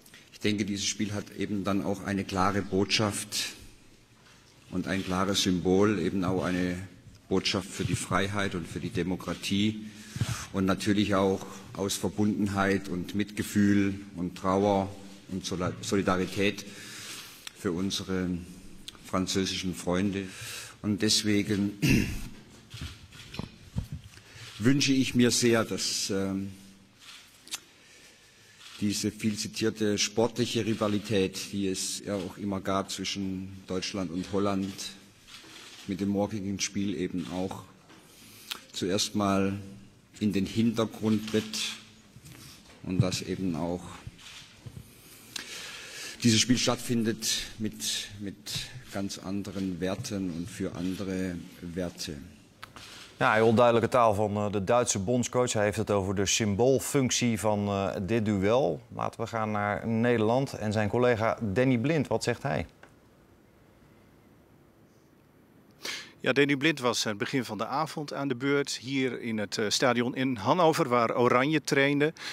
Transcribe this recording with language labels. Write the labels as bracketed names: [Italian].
[Dutch] Ik denk dat deze spel even dan ook een klare boodschap en een klare symbool, even ook een boodschap voor die vrijheid en voor die democratie. En natuurlijk ook uit verbondenheid en metgevoel en trauer en solidariteit voor onze [German] Französische [Dutch] vrienden. En [German] deswegen wünsche ik mir sehr, dass diese viel zitierte sportliche Rivalität, die es ja auch immer gab zwischen Deutschland und Holland, mit dem morgigen Spiel eben auch zuerst mal in den Hintergrund tritt und dass eben auch dieses Spiel stattfindet mit ganz anderen Werten und für andere Werte. [Dutch] Ja, heel duidelijke taal van de Duitse bondscoach. Hij heeft het over de symboolfunctie van dit duel. Laten we gaan naar Nederland en zijn collega Danny Blind. Wat zegt hij? Ja, Danny Blind was aan het begin van de avond aan de beurt hier in het stadion in Hannover, waar Oranje trainde.